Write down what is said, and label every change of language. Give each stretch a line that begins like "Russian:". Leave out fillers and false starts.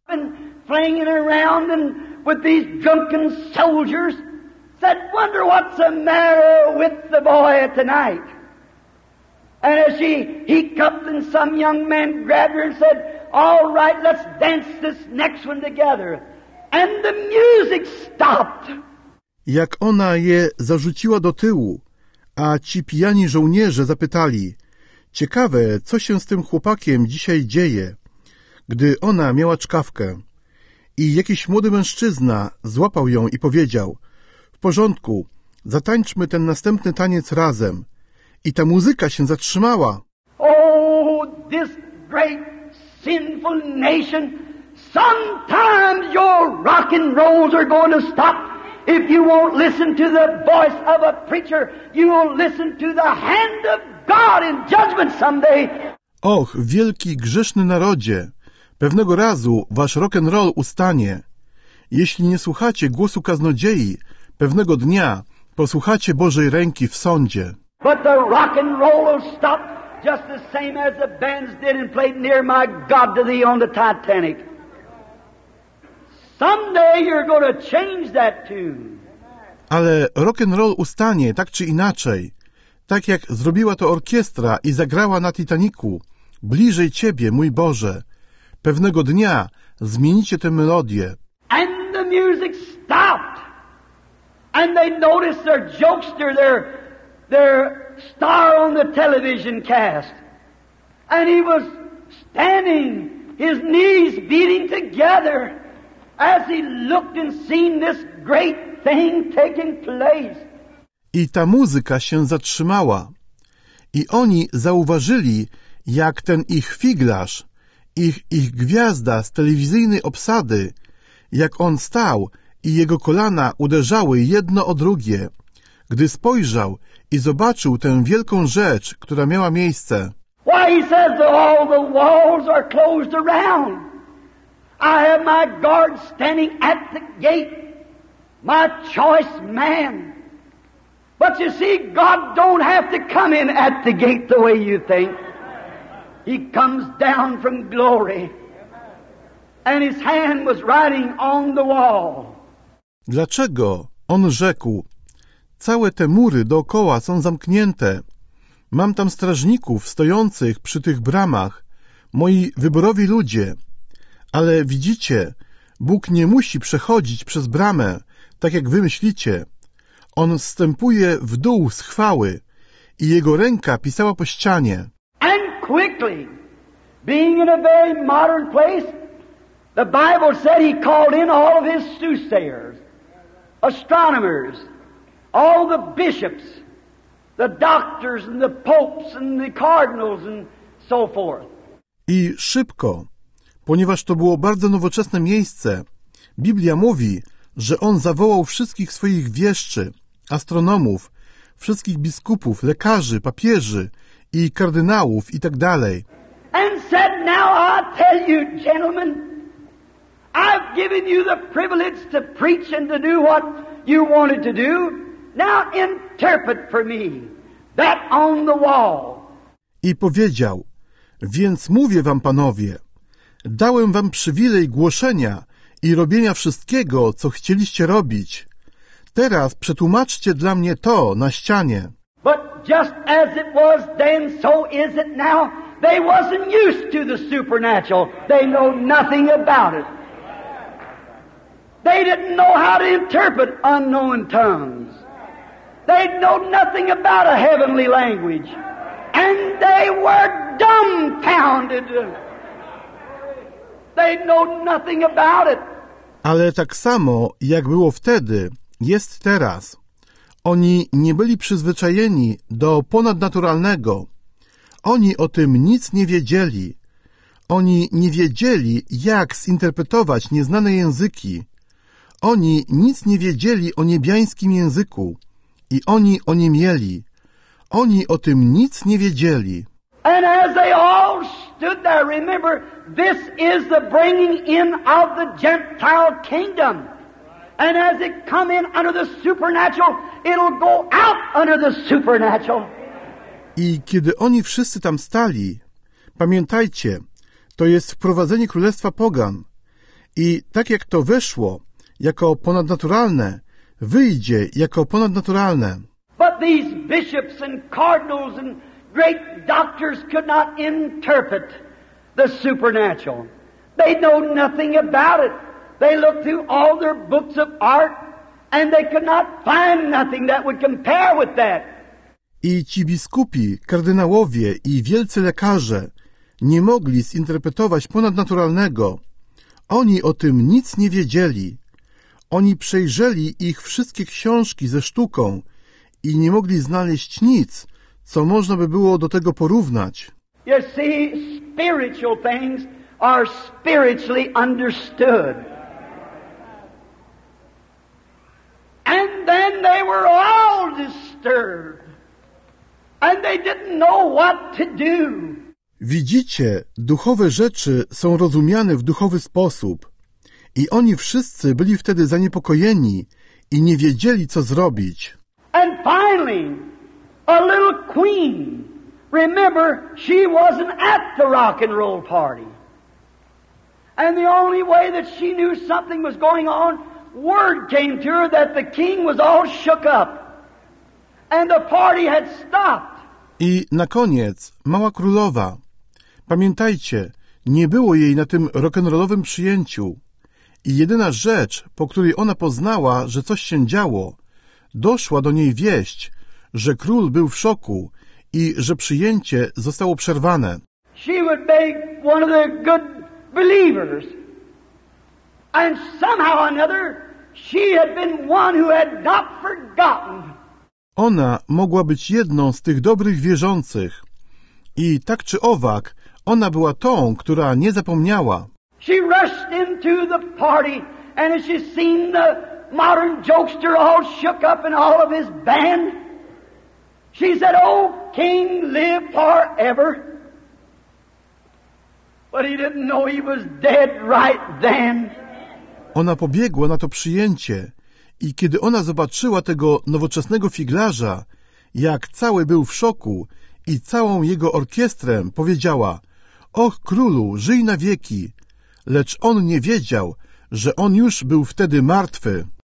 English: And flinging around and with these drunken soldiers said, wonder what's the matter with the boy tonight. And as she hiccuped and some young man grabbed her and said, all right, let's dance this next one together. And the music stopped.
Polish: Jak ona je zarzuciła do tyłu, a ci pijani żołnierze zapytali, ciekawe, co się z tym chłopakiem dzisiaj dzieje, gdy ona miała czkawkę. I jakiś młody mężczyzna złapał ją i powiedział, w porządku, zatańczmy ten następny taniec razem. I ta muzyka się zatrzymała.
English: Oh, this great sinful nation, sometimes your rock and rolls are going to stop. If you won't listen to the voice of a preacher, you will listen to the hand of God in judgment someday.
Polish: Och, wielki grzeszny narodzie, pewnego razu wasz rock and roll ustanie. Jeśli nie słuchacie głosu kaznodziei, pewnego dnia posłuchacie Bożej ręki w sądzie.
English: But the rock and roll will stop just the same as the bands did and played Near My God to Thee on the Titanic. Someday you're going to change that tune.
Polish: Ale rock and roll ustanie tak czy inaczej, tak jak zrobiła to orkiestra i zagrała na Titaniku, bliżej Ciebie, mój Boże. Pewnego dnia zmienicie tę melodię.
English: And the music stopped. And they noticed their jokester, their star on the television cast. And he was standing, his knees beating together. As he looked and seen this great thing taking place.
Polish: I ta muzyka się zatrzymała. I oni zauważyli, jak ten ich figlarz, ich gwiazda z telewizyjnej obsady, jak on stał i jego kolana uderzały jedno o drugie, gdy spojrzał i zobaczył tę wielką rzecz, która miała miejsce.
English: Why he says that all the walls are closed around. I have my guard standing at the gate, my choice man. But you see, God don't have to come in at the gate the way you think. He comes down from glory. And his hand was writing on the wall.
Polish: Dlaczego on rzekł, całe te mury dookoła są zamknięte. Mam tam strażników stojących przy tych bramach, moi wyborowi ludzie. Ale widzicie, Bóg nie musi przechodzić przez bramę, tak jak wy myślicie. On zstępuje w dół z chwały i jego ręka pisała po ścianie.
English: And quickly, being in a very modern place, the Bible said he called in all of his soothsayers, astronomers, all the bishops, the doctors and the popes and the cardinals and so forth.
Polish: I szybko. Ponieważ to było bardzo nowoczesne miejsce, Biblia mówi, że on zawołał wszystkich swoich wieszczy, astronomów, wszystkich biskupów, lekarzy, papieży i kardynałów i tak dalej.
English: And said, now I tell you, gentlemen, I've given you the privilege to preach and to do what you wanted to do. Now interpret for me that on the wall.
Polish: I powiedział, więc mówię wam, panowie, dałem wam przywilej głoszenia i robienia wszystkiego, co chcieliście robić. Teraz przetłumaczcie dla mnie to na ścianie.
English: But just as it was then, so is it now. They wasn't used to the supernatural. They know nothing about it. They didn't know how to interpret unknown tongues. They know nothing about a heavenly language. And they were dumbfounded. They know nothing about it.
Polish: Ale tak samo, jak było wtedy, jest teraz. Oni nie byli przyzwyczajeni do ponadnaturalnego. Oni o tym nic nie wiedzieli. Oni nie wiedzieli, jak zinterpretować nieznane języki. Oni nic nie wiedzieli o niebiańskim języku i oni o nim mieli. Oni o tym nic nie wiedzieli.
English: And as they all stood there, remember, this is the bringing in of the Gentile kingdom. And as it come in under the supernatural, it'll go out under the supernatural.
Polish: I kiedy oni wszyscy tam stali, pamiętajcie, to jest wprowadzenie królestwa pogan. I tak jak to wyszło jako ponadnaturalne, wyjdzie jako ponadnaturalne.
English: But these bishops and cardinals and great doctors could not interpret the supernatural. They know nothing about it. They looked through all their books of art and they could not find nothing that would compare with that.
Polish: I ci biskupi, kardynałowie i wielcy lekarze nie mogli zinterpretować ponadnaturalnego. Oni o tym nic nie wiedzieli. Oni przejrzeli ich wszystkie książki ze sztuką i nie mogli znaleźć nic, co można by było do tego porównać.
English: You see, spiritual things are spiritually understood. And then they were all disturbed. And they didn't know what to do.
Polish: Widzicie, duchowe rzeczy są rozumiane w duchowy sposób. I oni wszyscy byli wtedy zaniepokojeni i nie wiedzieli, co zrobić.
English: And finally, a little queen. Remember, she wasn't at the rock and roll party. And the only way that she knew something was going on, word came to her that the king was all shook up. And the party had stopped.
Polish: I na koniec, mała królowa. Pamiętajcie, nie było jej na tym rock'n'rollowym przyjęciu. I jedyna rzecz, po której ona poznała, że coś się działo, doszła do niej wieść, że król był w szoku i że przyjęcie zostało przerwane.
English: She would make one of the good believers. And somehow or another, she had been one who had not forgotten.
Polish: Ona mogła być jedną z tych dobrych wierzących. I tak czy owak, ona była tą, która nie zapomniała.
English: She rushed into the party, and as she seen the modern jokester all shook up and all of his band, she said, "Oh, King, live forever." But he didn't know he was dead right then.
Polish: Ona pobiegła na to przyjęcie i kiedy ona zobaczyła tego nowoczesnego figlarza, jak cały był w szoku i całą jego orkiestrę, powiedziała: "Och, królu, żyj na wieki." Lecz on nie wiedział, że on już był wtedy martwy.